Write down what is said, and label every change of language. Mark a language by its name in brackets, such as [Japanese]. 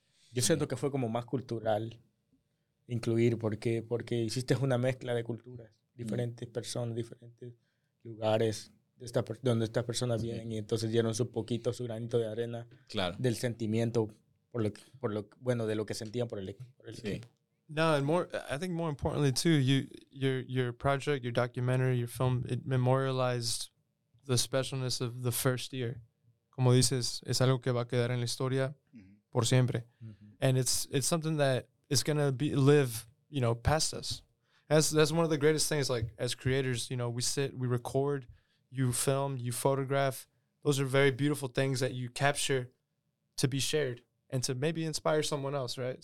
[Spanish] Yo siento que fue como más cultural incluir, porque hiciste una mezcla de culturas, diferentes personas, diferentes lugares donde estas personas vienen, y entonces dieron su poquito, su granito de arena, claro, del sentimiento, de lo que sentían por el sí. equipo. [English] No, and more, I think more importantly too, your project, your documentary, your film, it memorialized the specialness of the first year. [Spanish] Como dices, es algo que va a quedar en la historia por siempre. Mm-hmm. [English] And it's something that is going to live, you know, past us. That's one of the greatest things, like, as creators, you know, we sit, we record, you film, you photograph. Those are very beautiful things that you capture to be shared and to maybe inspire someone else, right?